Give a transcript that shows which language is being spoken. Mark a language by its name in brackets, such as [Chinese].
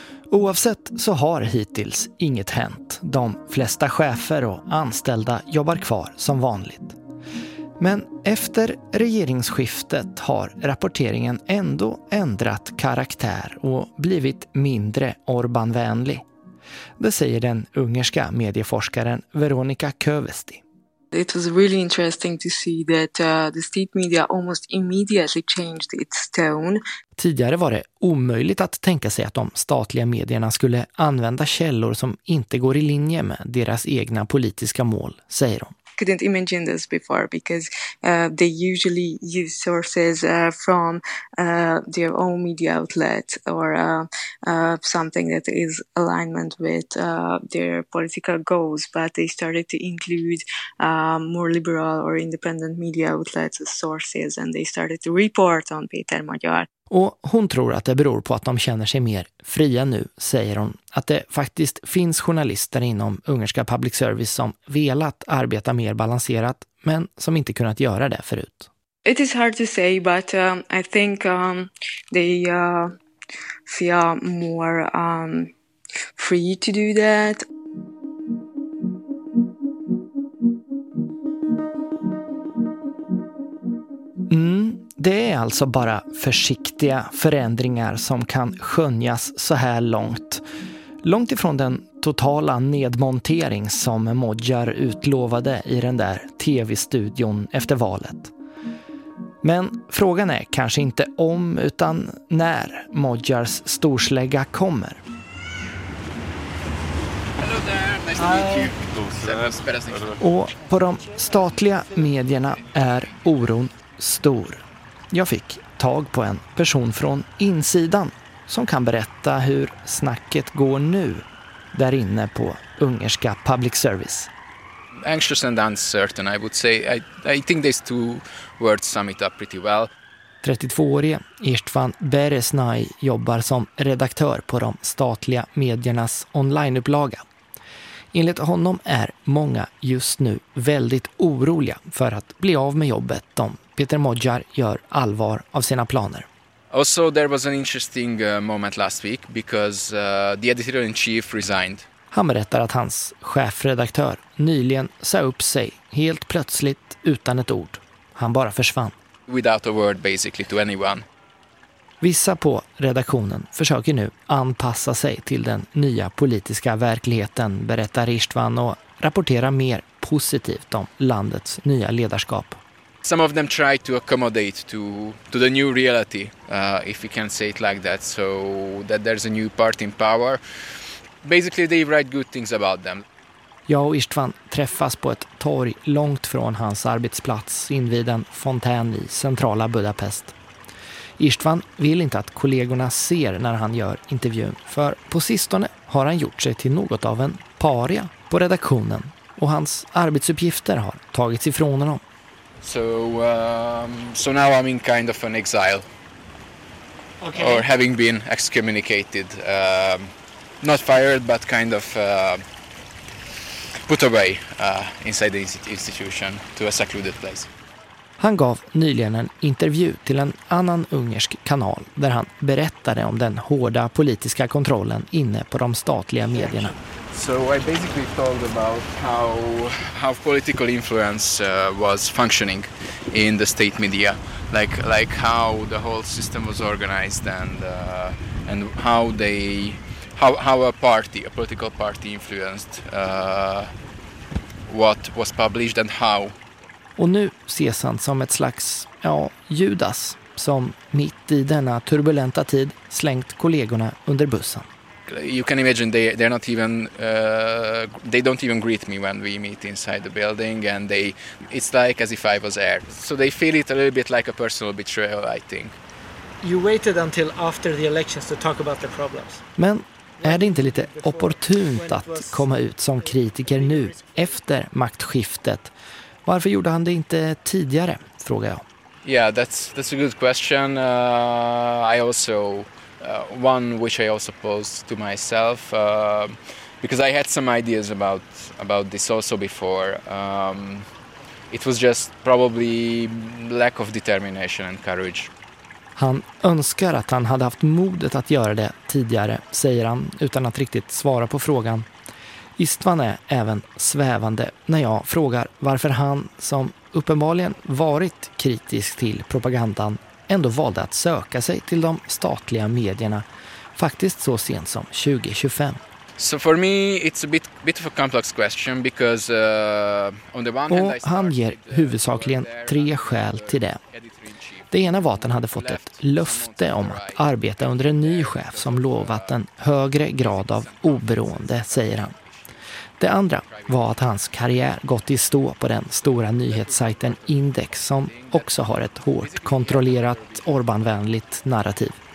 [Swedish] Oavsett så har hittills inget hänt. De flesta chefer och anställda jobbar kvar som vanligt. Men efter regeringsskiftet har rapporteringen ändå ändrat karaktär och blivit mindre Orbán-vänlig. Det säger den ungerska medieforskaren Veronika Kövesti. [English] It was really interesting to see that the state media almost immediately changed its tone. [Swedish] Tidigare var det omöjligt att tänka sig att de statliga medierna skulle använda källor som inte går i linje med deras egna politiska mål, säger de. [English] Couldn't imagine this before because they usually use sources from their own media outlet or something that is alignment with their political goals, but they started to include more liberal or independent media outlets as sources and they started to report on Peter Magyar. [Swedish] Och hon tror att det beror på att de känner sig mer fria nu, säger hon. Att det faktiskt finns journalister inom ungerska public service som velat arbeta mer balanserat, men som inte kunnat göra det förut. [English] It is hard to say, but I think they feel more free to do that. [Swedish] Det är alltså bara försiktiga förändringar som kan skönjas så här långt. Långt ifrån den totala nedmontering som Modjar utlovade i den där tv-studion efter valet. Men frågan är kanske inte om utan när Modjars storslägga kommer. Och på de statliga medierna är oron stor. Jag fick tag på en person från insidan som kan berätta hur snacket går nu där inne på ungerska public service. [English] Anxious and uncertain, I would say. I think these two words sum it up pretty well. [Swedish] 32-årige Istvan Beresnai jobbar som redaktör på de statliga mediernas onlineupplaga. Enligt honom är många just nu väldigt oroliga för att bli av med jobbet de Peter Modjar gör allvar av sina planer. [English] Also there was an interesting moment last week because the editor in chief resigned. [Swedish] Han berättar att hans chefredaktör nyligen sa upp sig helt plötsligt utan ett ord. Han bara försvann. [English] Without a word basically to anyone. [Swedish] Vissa på redaktionen försöker nu anpassa sig till den nya politiska verkligheten, berättar Istvan och rapporterar mer positivt om landets nya ledarskap. [English] Some of them try to accommodate to the new reality, if we can say it like that, so that there's a new party in power. Basically, they write good things about them. [Swedish] Jag och Istvan träffas på ett torg långt från hans arbetsplats invid en fontän i centrala Budapest. Istvan vill inte att kollegorna ser när han gör intervjun, för på sistone har han gjort sig till något av en paria på redaktionen och hans arbetsuppgifter har tagits ifrån honom. [English] So now I'm in kind of an exile. Okay. Or having been excommunicated, not fired but kind of put away inside the institution to a secluded place. [Swedish] Han gav nyligen en intervju till en annan ungersk kanal där han berättade om den hårda politiska kontrollen inne på de statliga medierna. [English] So I basically talked about how political influence was functioning in the state media, like how the whole system was organized and how a political party influenced what was published and how. [Swedish] Och nu ses han som ett slags, ja, Judas som mitt i denna turbulenta tid slängt kollegorna under bussen. [English] You can imagine they don't even greet me when we meet inside the building and it's like as if I was there. So they feel it a little bit like a personal betrayal, I think. You waited until after the elections to talk about the problems. [Swedish] Men är det inte lite opportunt att komma ut som kritiker nu efter maktskiftet? Varför gjorde han det inte tidigare, frågar jag. [English] Yeah, that's a good question. I also one which I also posed to myself because I had some ideas about this also before. It was just probably lack of determination and courage. [Swedish] Han önskar att han hade haft modet att göra det tidigare, säger han utan att riktigt svara på frågan. Istvan är även svävande när jag frågar varför han, som uppenbarligen varit kritisk till propagandan, ändå valde att söka sig till de statliga medierna, faktiskt så sent som 2025. [English] So for me it's a bit of a complex question because on the one hand I started. [Swedish] Han ger huvudsakligen tre skäl till det. Det ena var att han hade fått ett löfte om att arbeta under en ny chef som lovat en högre grad av oberoende, säger han. Det andra var att hans karriär gått i stå på den stora nyhetssajten Index som också har ett hårt kontrollerat Orbán-vänligt narrativ.